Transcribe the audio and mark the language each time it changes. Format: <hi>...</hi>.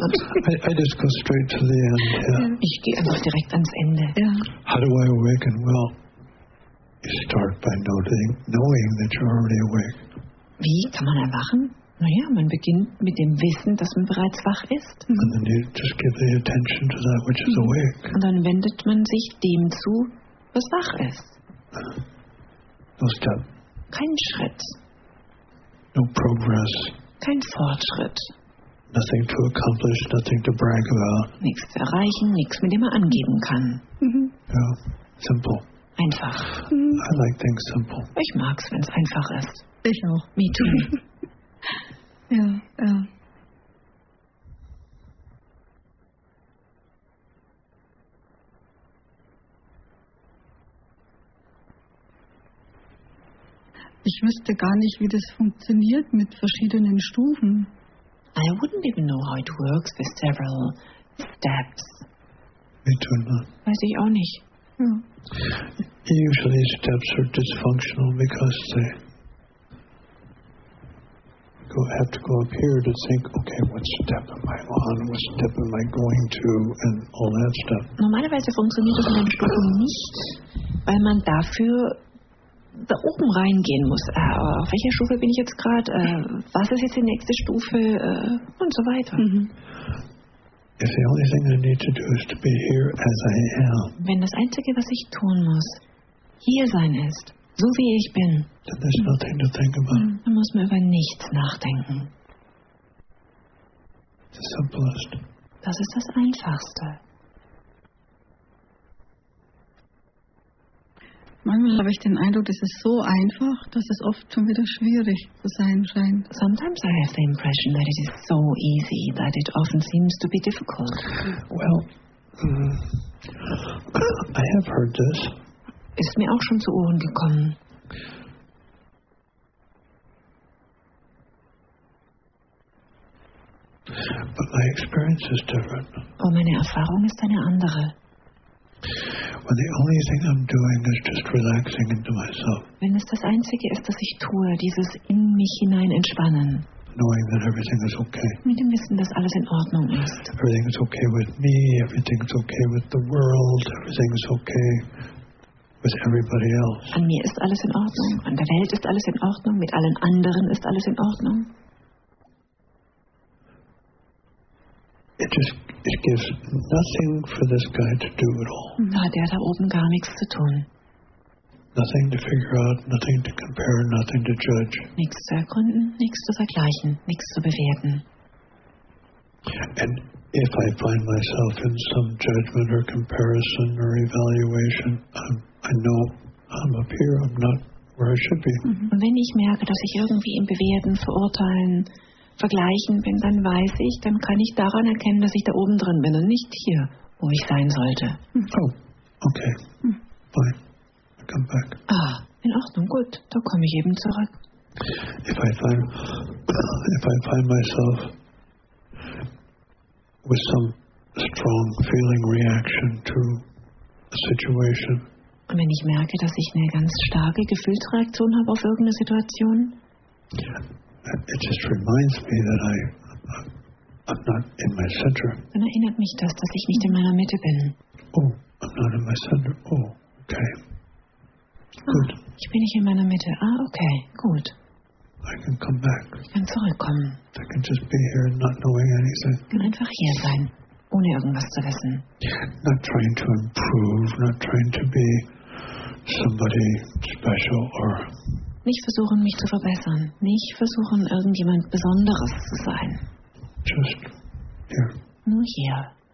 <en>ab. I just go straight to the end. Yeah.</en> <de>Ich gehe einfach direkt ans Ende.</de> <en>How do I awaken? Well, you start by knowing that you're already awake.</en> <de>Wie kann man erwachen? Naja, man beginnt mit dem Wissen, dass man bereits wach ist.</de> <en>And then you just give the attention to that which is awake.</en> <de>Und dann wendet man sich dem zu, was wach ist.</de> <en>No step.</en> <de>Kein Schritt.</de> <en>No progress.</en> <de>Kein Fortschritt.</de> <en>Nothing to accomplish, nothing to brag about.</en> <de>Nichts zu erreichen, nichts, mit dem man angeben kann.</de> <en>Ja, yeah, simple.</en> <de>Einfach.</de> <en>I like things simple.</en> <de>Ich mag's, wenn's einfach ist. Ich auch.</de> <en>Me too.</en> <de>Ja, ja. Ich wüsste gar nicht, wie das funktioniert mit verschiedenen Stufen.</de> <en>I wouldn't even know how it works with several steps. Me too not.</en> <de>Weiß ich auch nicht.</de> <en>Usually steps are dysfunctional because they have to go up here to think, okay, what step am I on? What step am I going to? And all that stuff.</en> <de>Normalerweise funktioniert das in einem Studium nicht, weil man dafür da oben reingehen muss. Auf welcher Stufe bin ich jetzt gerade? Was ist jetzt die nächste Stufe? Und so weiter.</de> <en>If the only thing I need to do is to be here as I am.</en> <de>Wenn das Einzige, was ich tun muss, hier sein ist, so wie ich bin,</de> <en>then there's nothing to think about.</en> <de>Dann muss man über nichts nachdenken.</de> <en>The simplest.</en> <de>Das ist das Einfachste. Manchmal habe ich den Eindruck, es ist so einfach, dass es oft schon wieder schwierig zu sein scheint.</de> <en>Sometimes I have the impression that it is so easy that it often seems to be difficult. Well, I have heard this.</en> <de>Ist mir auch schon zu Ohren gekommen.</de> <en>But my experience is different.</en> <de>Aber meine Erfahrung ist eine andere.</de> <en>When the only thing I'm doing is just relaxing into myself.</en> <de>Wenn es das Einzige ist, das ich tue, dieses in mich hinein entspannen.</de> <en>Knowing that everything is okay.</en> <de>Mit dem Wissen, dass alles in Ordnung ist.</de> <en>Everything is okay with me. Everything is okay with the world. Everything is okay with everybody else.</en> <de>An mir ist alles in Ordnung. An der Welt ist alles in Ordnung. Mit allen anderen ist alles in Ordnung.</de> <en>It gives nothing for this guy to do at all.</en> <de>Na, der da oben gar nichts zu tun.</de> <en>Nothing to figure out, nothing to compare, nothing to judge.</en> <de>Nichts zu erkunden, nichts zu vergleichen, nichts zu bewerten.</de> <en>And if I find myself in some judgment or comparison or evaluation, I know I'm up here, I'm not where I should be.</en> <de>Und wenn ich merke, dass ich irgendwie im Bewerten, Verurteilen, Vergleichen bin, dann weiß ich, dann kann ich daran erkennen, dass ich da oben drin bin und nicht hier, wo ich sein sollte.</de> <en>Oh, Okay. Fine. I come back.</en> <de>Ah, in Ordnung, gut. Da komme ich eben zurück.</de> <en>If I find myself with some strong feeling reaction to a situation.</en> <de>Und wenn ich merke, dass ich eine ganz starke Gefühlsreaktion habe auf irgendeine Situation.</de> <en>It just reminds me that I'm not in my center.</en> <de>Dann erinnert mich das, dass ich nicht in meiner Mitte bin.</de> <en>Oh, I'm not in my center. Oh, okay.</en> <de>Gut. Ich bin nicht in meiner Mitte. Ah, okay. Gut.</de> <en>I can come back.</en> <de>Ich kann zurückkommen.</de> <en>I can just be here not knowing anything.</en> <de>Ich kann einfach hier sein, ohne irgendwas zu wissen.</de> <en>Not trying to improve, not trying to be somebody special or...</en> <de>Nicht versuchen, mich zu verbessern. Nicht versuchen, irgendjemand Besonderes zu sein.</de> <en>Just here.</en> <de>Nur hier.</de>